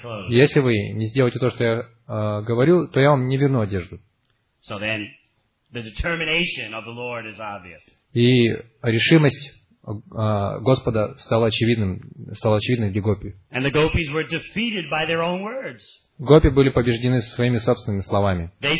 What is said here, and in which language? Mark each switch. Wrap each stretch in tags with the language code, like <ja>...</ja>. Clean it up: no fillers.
<ru>Если вы не сделаете то, что я говорю, то я вам не верну одежду.</ru> <en>So then, the determination of the Lord is obvious.</en> <ru>И решимость Господа стала очевидной для гопи.</ru> <en>And the gopis were defeated by their own words.</en> <ru>Гопи были побеждены своими собственными словами.</ru>